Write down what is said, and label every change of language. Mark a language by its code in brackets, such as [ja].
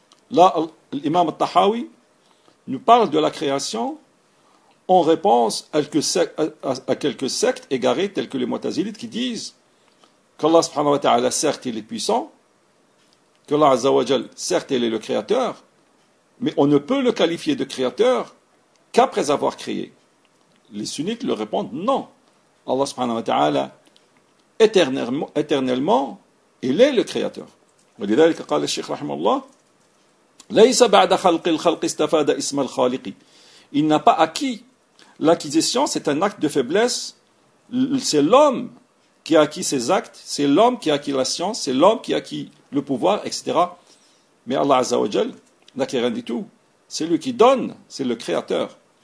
[fr] Là, l'imam al-Tahawi nous parle de la création en réponse à quelques sectes égarées telles que les Mu'tazilites qui disent qu'Allah subhanahu wa ta'ala, certes, il est puissant, qu'Allah azza wa jal, certes, il est le créateur, mais on ne peut le qualifier de créateur qu'après avoir créé. Les sunnites leur répondent non. Allah subhanahu wa ta'ala, éternellement, il est le créateur. Et c'est ce que le Cheikh rahimahullah. [ar] ليس بعد خلق الخلق استفاد اسم الخالق. [fr] Il n'a pas acquis l'acquisition, c'est un acte de faiblesse. C'est l'homme qui acquit ses actes, c'est l'homme qui acquit la science, c'est l'homme qui acquit le pouvoir, etc. Mais Allah Azza wa Jal n'acquit rien du tout. C'est lui qui donne, c'est le créateur.